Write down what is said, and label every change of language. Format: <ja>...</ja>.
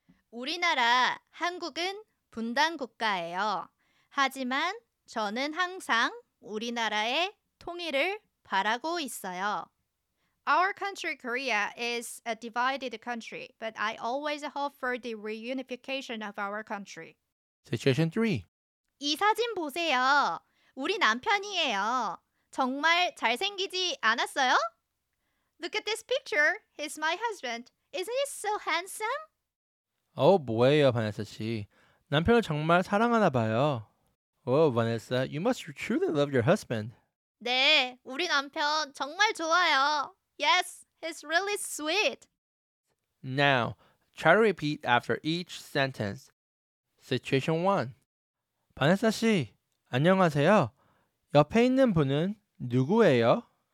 <ko>우리나라, 한국은 분당 국가예요. 하지만 저는 항상 우리나라의 통일을 바라고 있어요.</ko> <en>Our country, Korea, is a divided country, but I always hope for the reunification of our country. Situation 3.</en> <ko>이 사진 보세요. 우리 남편이에요. 정말 잘생기지 않았어요?</ko> <en>Look at this picture. He's my husband. Isn't he so handsome?</en> <ko>어, 뭐예요, 바네사 씨. 남편을 정말 사랑하나 봐요.</ko> <en>Oh, Vanessa, you must truly love your husband.</en> <ko>네, 우리 남편 정말 좋아요.</ko> <en>Yes, he's really sweet. Now, try to repeat after each sentence. Situation 1.</en> <ko>바네사 씨, 안녕하세요. 옆에 있는 분은 누구예요?</ko>